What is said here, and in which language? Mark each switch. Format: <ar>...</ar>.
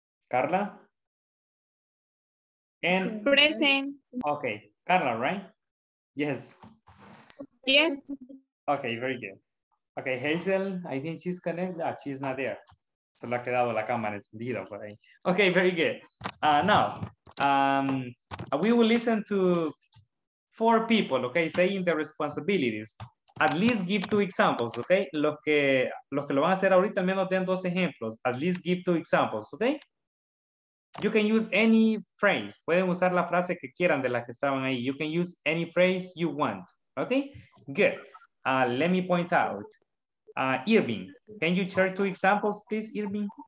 <en>Carla? And present. Okay, Carla, right? Yes. Yes. Okay, very good. Okay, Hazel, I think she's connected. Ah, she's not there.</en> <es>Se le ha quedado la cámara encendida por ahí.</es> <en>Okay, very good. Now, we will listen to four people, okay, saying the responsibilities. At least give two examples, okay?</en> <es>Los que lo van a hacer ahorita, al menos den dos ejemplos.</es> <en>At least give two examples, okay? You can use any phrase.</en> <es>Pueden usar la frase que quieran de las que estaban ahí.</es> <en>You can use any phrase you want, okay? Good. Let me point out. Irving, can you share two examples, please, Irving?</en>